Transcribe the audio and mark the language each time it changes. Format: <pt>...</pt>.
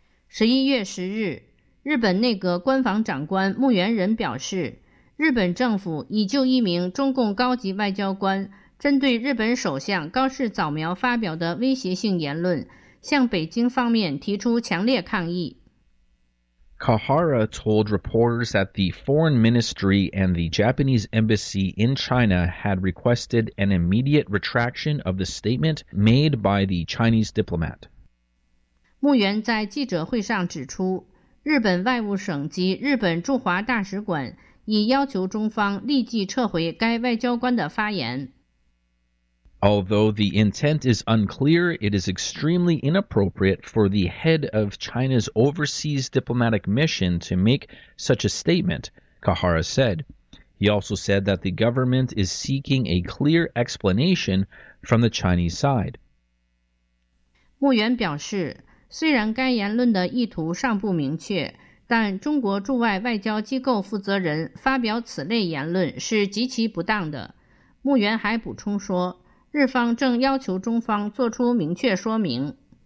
<zh>11月10日，日本内阁官房长官牧原仁表示，日本政府已就一名中共高级外交官针对日本首相高市早苗发表的威胁性言论，向北京方面提出强烈抗议。</zh> <en>Kahara told reporters that the Foreign Ministry and the Japanese Embassy in China had requested an immediate retraction of the statement made by the Chinese diplomat.</en> <zh>牧原在记者会上指出，日本外务省及日本驻华大使馆已要求中方立即撤回该外交官的发言。</zh> <en>Although the intent is unclear, it is extremely inappropriate for the head of China's overseas diplomatic mission to make such a statement, Kahara said. He also said that the government is seeking a clear explanation from the Chinese side.</en> <zh>牧原表示，虽然该言论的意图尚不明确，但中国驻外外交机构负责人发表此类言论是极其不当的。牧原还补充说，日方正要求中方做出明确说明。</zh>